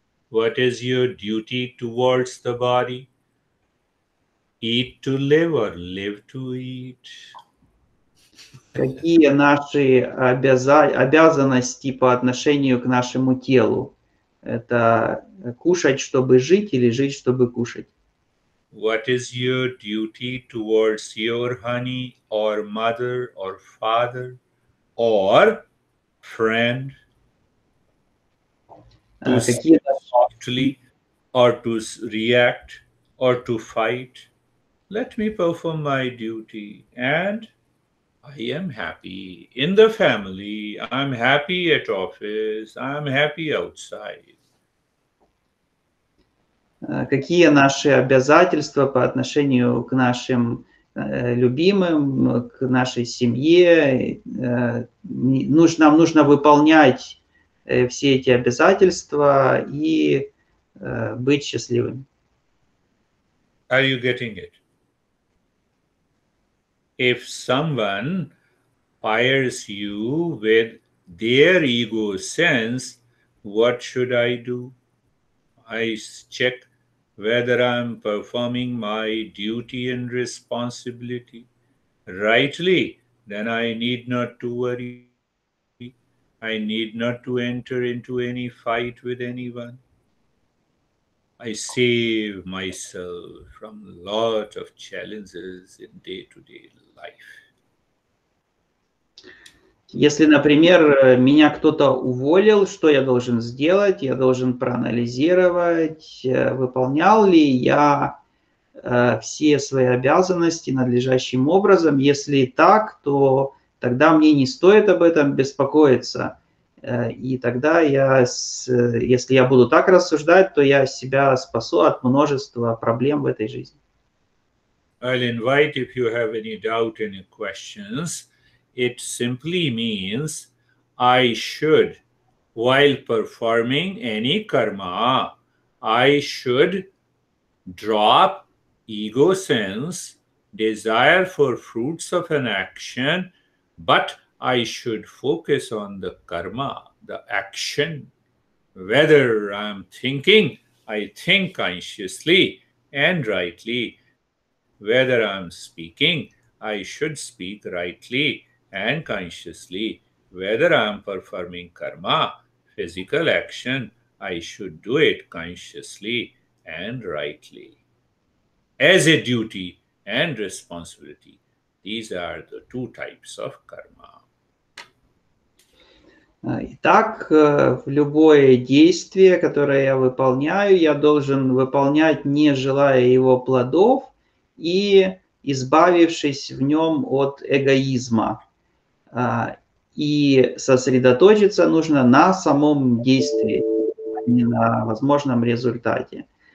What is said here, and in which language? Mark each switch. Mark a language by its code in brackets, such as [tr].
[en] What is your duty towards the body? Eat to live or live to eat? [ru] Какие наши обязанности по отношению к нашему телу? Это кушать, чтобы жить, или жить, чтобы кушать? [en] What is your duty towards your honey or mother or father or friend? To speak softly or to react or to fight? Let me perform my duty and I am happy in the family. I'm happy at office. I'm happy outside. [ru] Какие наши обязательства по отношению к нашим любимым, к нашей семье? Нам нужно выполнять все эти обязательства и быть счастливыми. [en] Are you getting it? If someone fires you with their ego sense, what should I do? I check whether I'm performing my duty and responsibility rightly, then I need not to worry. I need not to enter into any fight with anyone. I save myself from a lot of challenges in day-to-day life. [ru] Если, например, меня кто-то уволил, что я должен сделать? Я должен проанализировать, выполнял ли я все свои обязанности надлежащим образом. Если так, то тогда мне не стоит об этом беспокоиться. И тогда если я буду так рассуждать, то я себя спасу от множества проблем в этой жизни. [en] I'll invite, if you have any doubt, any questions. It simply means I should, while performing any karma, I should drop ego sense, desire for fruits of an action, but I should focus on the karma, the action. Whether I'm thinking, I think consciously and rightly. whether I'm speaking, I should speak rightly and consciously. Whether I'm performing karma, physical action, I should do it consciously and rightly. As a duty and responsibility, these are the two types of karma. [ru] Итак, любое действие, которое я выполняю, я должен выполнять, не желая его плодов и избавившись в нем от эгоизма. И сосредоточиться нужно на самом действии, а не на возможном результате.